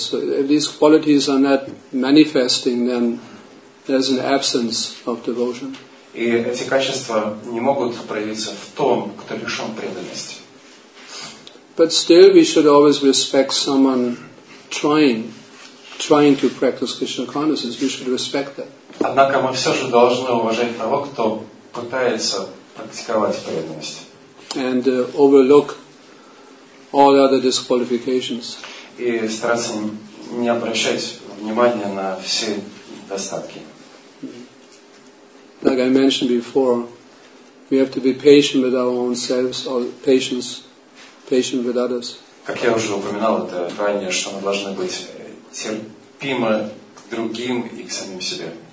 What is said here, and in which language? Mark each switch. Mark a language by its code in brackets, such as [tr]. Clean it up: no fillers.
[en] So if these qualities are not manifesting, then there's an absence of devotion. [ru] И эти качества не могут проявиться в том, кто лишен преданности. [en] But still we should always respect someone trying to practice Krishna consciousness, we should respect that. [ru] Однако мы все же должны уважать того, кто пытается практиковать преданность. [en] And overlook all other disqualifications. [ru] И стараться не обращать внимания на все недостатки. [en] Like I mentioned before, we have to be patient with our own selves, or patient with others. [ru] Как я уже упоминал это ранее, что мы должны быть терпимы к другим и к самим себе.